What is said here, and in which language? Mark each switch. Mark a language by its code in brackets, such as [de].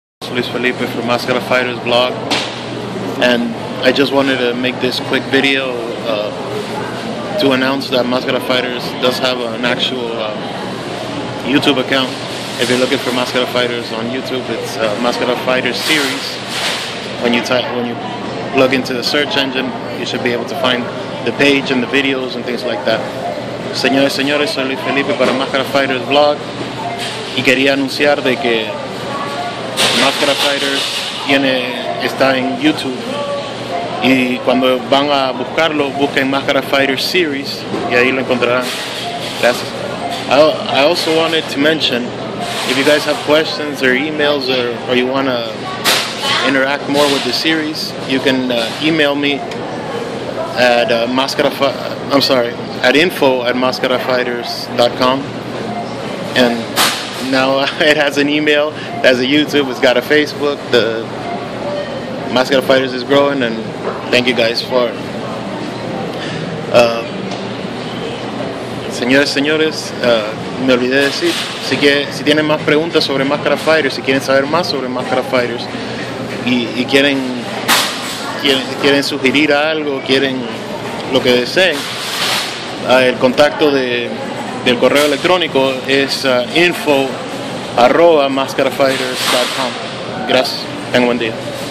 [en] Luis Felipe from Máscara Fighters blog, and I just wanted to make this quick video to announce that Máscara Fighters does have an actual YouTube account. If you're looking for Máscara Fighters on YouTube, it's Máscara Fighters series. When you plug into the search engine, you should be able to find the page and the videos and things like that. [es] Señores, señores, soy Luis Felipe para Máscara Fighters blog, y quería anunciar de que Máscara Fighters está en YouTube, y cuando van a buscarlo, busquen Máscara Fighters series y ahí lo encontrarán. Gracias. [en] I also wanted to mention, if you guys have questions or emails or you want to interact more with the series, you can email me at info@mascarafighters.com. And now it has an email, it has a YouTube, it's got a Facebook. The Máscara Fighters is growing, and thank you guys for it. [es] Señores, señores, me olvidé de decir, si tienen más preguntas sobre Máscara Fighters, si quieren saber más sobre Máscara Fighters, y quieren sugerir algo, quieren lo que deseen, el contacto del correo electrónico es info@mascarafighters.com. Gracias, tengan un buen día.